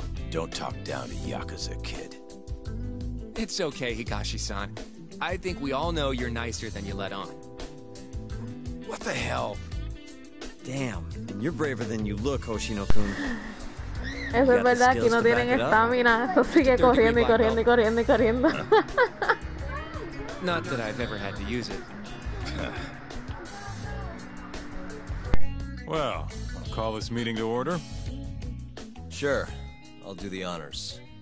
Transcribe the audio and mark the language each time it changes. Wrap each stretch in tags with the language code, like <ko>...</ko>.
<en>Don't talk down to Yakuza, kid. It's okay, Higashi-san. I think we all know you're nicer than you let on. What the hell? Damn, you're braver than you look, Hoshino-kun.</en> <es>Eso es verdad, aquí no tienen estamina. Eso sigue corriendo y corriendo y corriendo y corriendo.</es> <en>Not that I've ever had to use it. Well, I'll call this meeting to order. Sure, I'll do the honors.</en>